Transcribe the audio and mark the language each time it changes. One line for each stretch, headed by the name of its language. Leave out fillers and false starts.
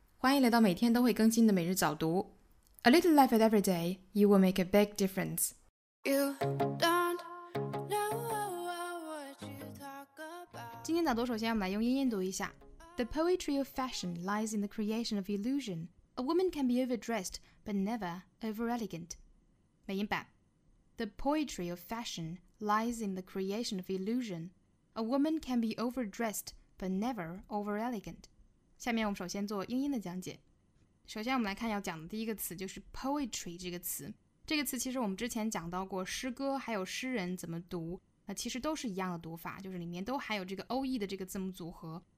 Chinese: 欢迎来到每天都会更新的每日早读。
English: A little life at every day, you will make a big difference. You don't know what you talk about.
Chinese: 今天早读首先我们来用英音读一下。
English: The poetry of fashion lies in the creation of illusion. A woman can be overdressed, but never over-elegant.
Chinese: 美音版。
English: The poetry of fashion lies in the creation of illusion. A woman can be overdressed,but never over-elegant.
Chinese: 下面我们首先做英音的讲解。首先我们来看要讲的第一个词就是 poetry 这个词。这个词其实我们之前讲到过诗歌还有诗人怎么读，那其实都是一样的读法，就是里面都含有这个 OE 的这个字母组合。